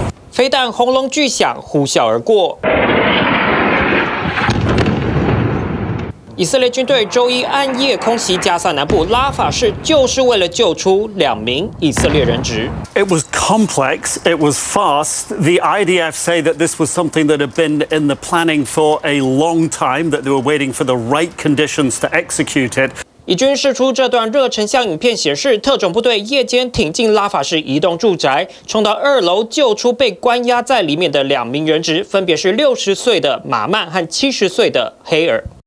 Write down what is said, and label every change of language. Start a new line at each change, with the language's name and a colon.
Chinese: 飞弹轰隆巨响，呼啸而过。以色列军队周一暗夜空袭加萨南部拉法市，就是为了救出两名以色列人质。
English: It was complex. It was fast. The IDF say that this was something that had been in the planning for a long time. That they were waiting for the right conditions to execute it.
Chinese: 以军释出这段热成像影片显示，特种部队夜间挺进拉法市一栋住宅，冲到二楼救出被关押在里面的两名人质，分别是60岁的马曼和70岁的黑尔。